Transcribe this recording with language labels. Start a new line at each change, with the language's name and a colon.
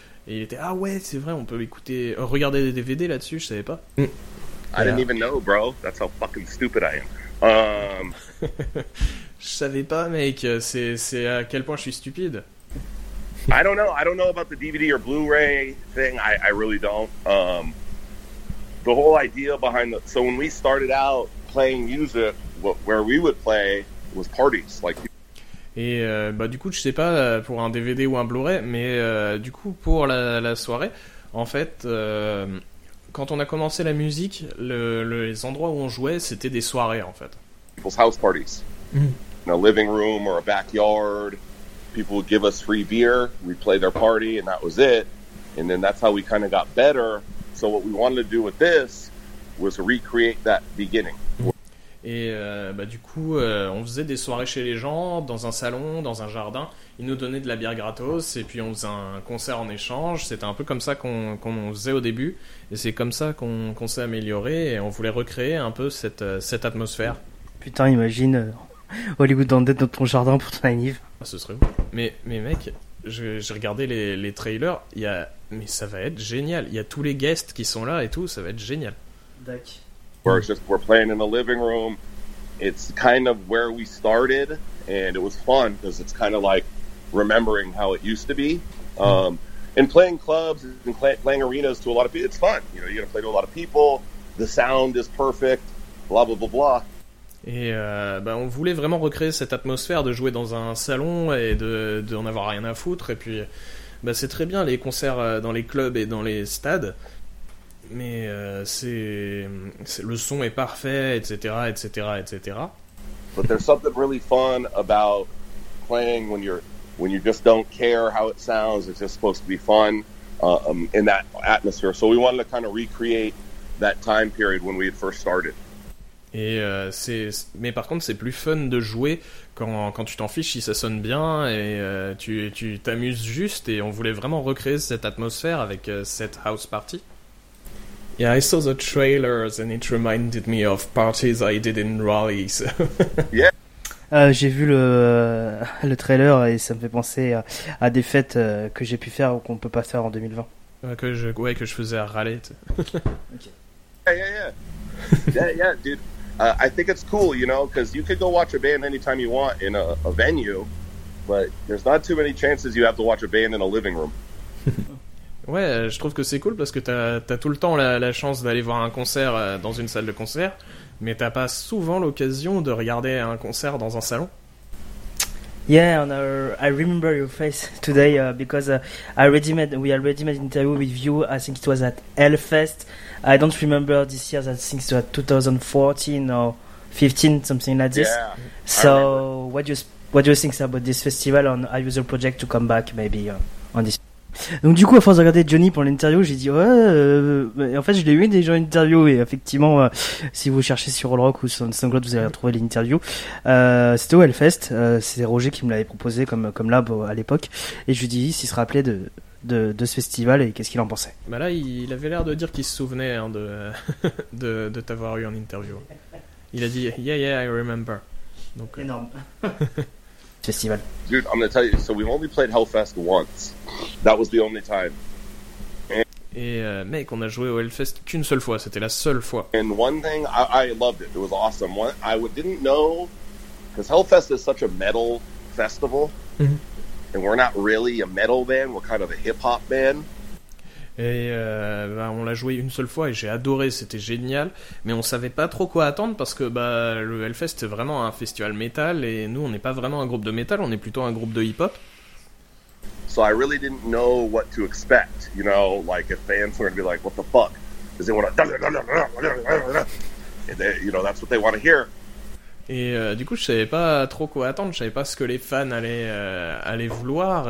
French: Et il était, ah ouais, c'est vrai, on peut écouter regarder des DVD là-dessus, je savais pas.
English: I didn't even know, bro. That's how fucking stupid I am.
French: Je savais pas, mec, c'est à quel point je suis stupide.
English: I don't know about the DVD or Blu-ray thing. I really don't. The whole idea behind so when we started out playing music, where we would play was parties, like.
French: Et bah du coup, je sais pas pour un DVD ou un Blu-ray, mais du coup pour la soirée, en fait, quand on a commencé la musique, les endroits où on jouait, c'était des soirées en fait.
English: People's house parties, in a living room or a backyard. People would give us free beer, we'd play their party, and that was it. And then that's how we kind of got better. So what we wanted to do with this was recreate that beginning.
French: Et bah du coup, on faisait des soirées chez les gens, dans un salon, dans un jardin. Ils nous donnaient de la bière gratos et puis on faisait un concert en échange. C'était un peu comme ça qu'on faisait au début. Et c'est comme ça qu'on s'est amélioré et on voulait recréer un peu cette atmosphère. Putain, imagine Hollywood Undead dans ton jardin pour ton anniv. Ah, ce serait ouf. Mais mec, j'ai regardé les trailers. Mais ça va être génial. Il y a tous les guests qui sont là et tout. Ça va être génial. D'accord.
English: Where it's just we're playing in the living room, it's kind of where we started, and it was fun because it's kind of like remembering how it used to be. And playing clubs and playing arenas to a lot of people, it's fun. You know, you got to play to a lot of people. The sound is perfect. Blah blah blah blah.
French: Et on voulait vraiment recréer cette atmosphère de jouer dans un salon et de en avoir rien à foutre. Et puis, c'est très bien les concerts dans les clubs et dans les stades. Mais c'est le son est parfait, etc., etc., etc.
English: But there's something really fun about playing when you just don't care how it sounds. It's just supposed to be fun in that atmosphere. So we wanted to kind of recreate that time period when we had first started.
French: Et mais par contre, c'est plus fun de jouer quand tu t'en fiches si ça sonne bien et tu t'amuses juste. Et on voulait vraiment recréer cette atmosphère avec cette house party.
English: Yeah, I saw the trailers and it reminded me of parties I did in Raleigh. So. Yeah.
French: J'ai vu le trailer et ça me fait penser à des fêtes que j'ai pu faire ou qu'on peut pas faire en 2020. Que je faisais à Raleigh.
English: Okay. Yeah, dude. I think it's cool, you know, because you could go watch a band anytime you want in a venue, but there's not too many chances you have to watch a band in a living room.
French: Ouais, je trouve que c'est cool parce que t'as tout le temps la chance d'aller voir un concert dans une salle de concert, mais t'as pas souvent l'occasion de regarder un concert dans un salon.
English: Yeah, and I remember your face today because we already made an interview with you. I think it was at Hellfest. I don't remember this year. I think it was 2014 or 15, something like this. Yeah, so what do you think about this festival and are you the project to come back maybe on this?
French: Donc du coup, à force de regarder Johnny pour l'interview, j'ai dit ouais. En fait, je l'ai eu déjà une interview et effectivement, si vous cherchez sur All Rock ou sur SoundCloud, vous allez retrouver l'interview. C'était au Hellfest. C'est Roger qui me l'avait proposé comme lab à l'époque. Et je lui dis s'il se rappelait de ce festival et qu'est-ce qu'il en pensait. Bah là, il avait l'air de dire qu'il se souvenait hein, de t'avoir eu en interview. Il a dit
English: yeah, I remember.
French: Donc, énorme. Festival.
English: Dude, I'm gonna tell you. So we've only played Hellfest once. That was the only time.
French: Et mec, on a joué au Hellfest qu'une seule fois. C'était la seule fois.
English: And one thing, I loved it. It was awesome. One, I didn't know, because Hellfest is such a metal festival, and we're not really a metal band. We're kind of a hip hop band.
French: Et on l'a joué une seule fois et j'ai adoré, c'était génial. Mais on savait pas trop quoi attendre parce que le Hellfest c'est vraiment un festival metal et nous on n'est pas vraiment un groupe de metal, on est plutôt un groupe de hip-hop.
English: So I really didn't know what to expect, you know, like if fans were gonna be like, what the fuck? Is they wanna... And they, you know, that's what they wanna hear.
French: Et du coup, je savais pas trop quoi attendre, je savais pas ce que les fans allaient vouloir.